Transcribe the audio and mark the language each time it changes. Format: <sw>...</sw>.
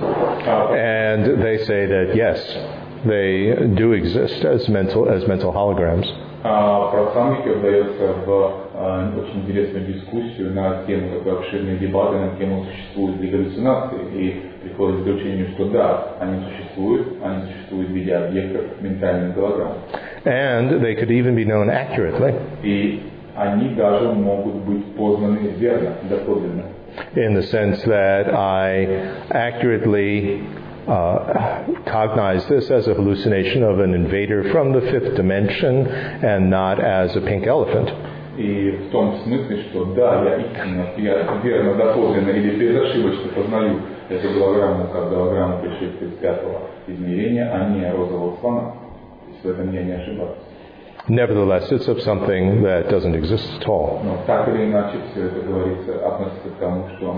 <en>And they say that yes, they do exist as mental holograms.</en> <ru>Prasangika вдаётся в очень интересную дискуссию на тему, такой обширные дебаты на тему, существуют ли галлюцинации, и приходит к заключению, что да, они существуют в виде объектов ментальных голограмм.</ru> <en>And they could even be known accurately.</en> <ru>Они даже могут быть познаны верно, доподлинно.</ru> <en>In the sense that I accurately cognize this as a hallucination of an invader from the fifth dimension and not as a pink elephant.</en> <ru>И в том смысле, что да, я верно, доподлинно или безошибочно познаю эту голограмму как голограмму пришельца из пятого измерения, а не розового слона. То есть в этом я не ошибаюсь.</ru> <en>Nevertheless, it's of something that doesn't exist at all.</en> <ru>No, так или иначе, все это говорится относится к тому, что</ru>